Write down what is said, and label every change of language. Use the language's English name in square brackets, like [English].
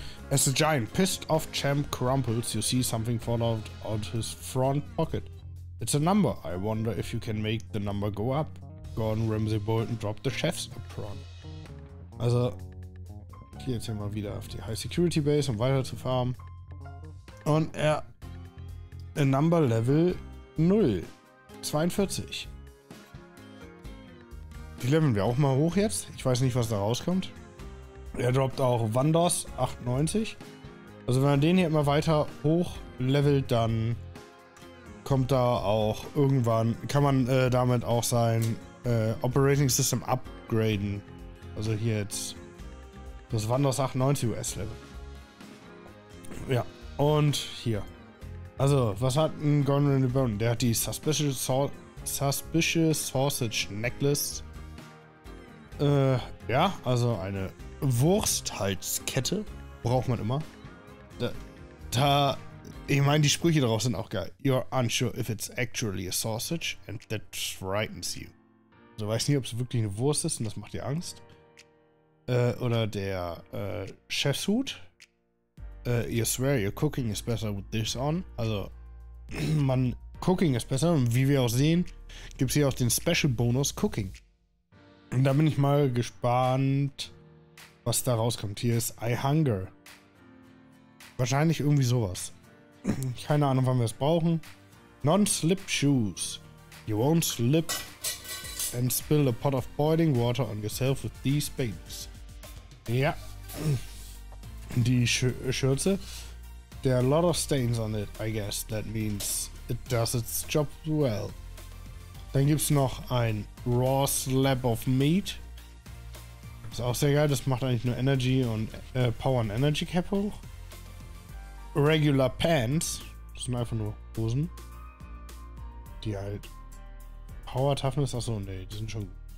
[English] As the giant pissed off champ crumples, you see something fall out of his front pocket. It's a number. I wonder if you can make the number go up. Gordon Ramsay Bolton dropped the chef's apron. [German] Also, hier jetzt hier mal wieder auf die High Security Base, um weiter zu farmen. Und er. [English] A number level 0. 42. [German] Die leveln wir auch mal hoch jetzt. Ich weiß nicht, was da rauskommt. Er droppt auch Wandos 98. Also wenn man den hier immer weiter hoch levelt, dann kommt da auch irgendwann, kann man damit auch sein Operating System upgraden. Also hier jetzt das Wandos 98 US Level. Ja, und hier. Also, was hat ein Gordon Ramsay Bolton? Der hat die Suspicious Sausage Necklace. Ja, also eine Wursthalskette braucht man immer. Da, ich meine, die Sprüche darauf sind auch geil. [English] You're unsure if it's actually a sausage and that frightens you. [German] Also weiß nicht, ob es wirklich eine Wurst ist und das macht dir Angst. Oder der Chefshut. [English] You swear your cooking is better with this on. [German] Also, man, cooking ist besser. Und wie wir auch sehen, gibt es hier auch den Special Bonus Cooking. Und da bin ich mal gespannt, was da rauskommt. Hier ist I Hunger. Wahrscheinlich irgendwie sowas. Keine Ahnung, wann wir es brauchen. [English] Non-slip shoes. You won't slip and spill a pot of boiling water on yourself with these babies. Ja. [German] Die Schürze. [English] There are a lot of stains on it, I guess. That means it does its job well. [German] Dann gibt's noch ein Raw Slab of Meat. Ist auch sehr geil. Das macht eigentlich nur Energy und Power and Energy Cap hoch. Regular Pants. Das sind einfach nur Hosen. Die halt Power Toughness. Achso, nee, die sind schon gut.